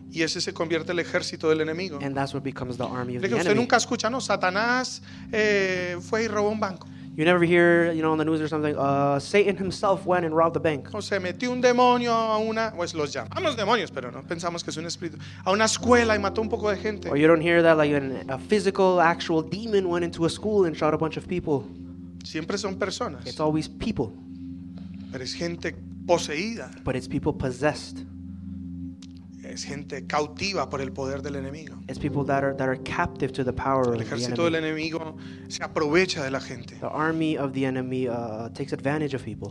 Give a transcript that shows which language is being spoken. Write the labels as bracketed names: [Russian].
[Spanish] Y ese se convierte en el ejército del enemigo. [English] And that's what becomes the army of the enemy. [Spanish] Usted nunca escucha, no, Satanás fue y robó un banco. [English] You never hear, you know, on the news or something, Satan himself went and robbed the bank. [Spanish] O se metió un demonio a una, pues los llamamos demonios, pero no pensamos que es un espíritu, a una escuela y mató un poco de gente. [English] Or you don't hear that, like a physical, actual demon went into a school and shot a bunch of people. [Spanish] Siempre son personas. [English] It's always people. [Spanish] Pero es gente poseída. [English] But it's people possessed. [Spanish] es gente cautiva por el poder del enemigo. [English] It's people that are captive to the power of the enemy. [Spanish] El ejército del enemigo se aprovecha de la gente. [English] The army of the enemy takes advantage of people.